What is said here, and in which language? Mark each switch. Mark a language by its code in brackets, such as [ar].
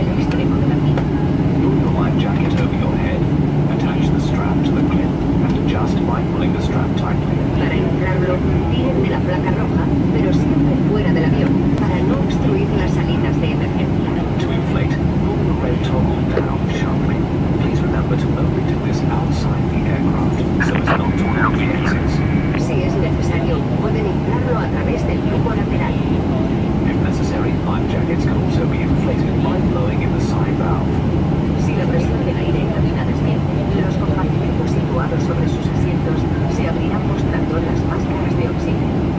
[en] Pull your life jacket over your head, attach the strap to the clip, and adjust by pulling the strap tightly. [es] Para entrarlo, tiren de la placa roja, pero siempre fuera del avión, para no obstruir las salidas de emergencia. [en] To inflate, pull the red toggle down sharply. Remember to only do this outside the aircraft, so as not to alert the exits. [es] Si es necesario, pueden inflarlo a través del tubo lateral. [en] If necessary, life jackets can also be inflated by blowing in the side valve. [es] Si la presión del aire en cabina desciende, los compartimentos situados sobre sus asientos se abrirán mostrando las máscaras de oxígeno.